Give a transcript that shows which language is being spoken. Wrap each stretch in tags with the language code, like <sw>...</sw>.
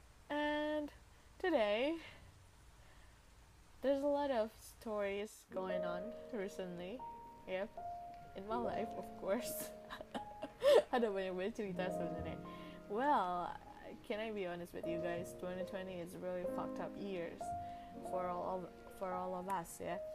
<en>And today, there's a lot of stories going on recently, yep, in my life, of course.</en> <id>Ada banyak cerita sebenarnya.</id> <en>Well, can I be honest with you guys? 2020 is really fucked up years for all of us, ya.</en>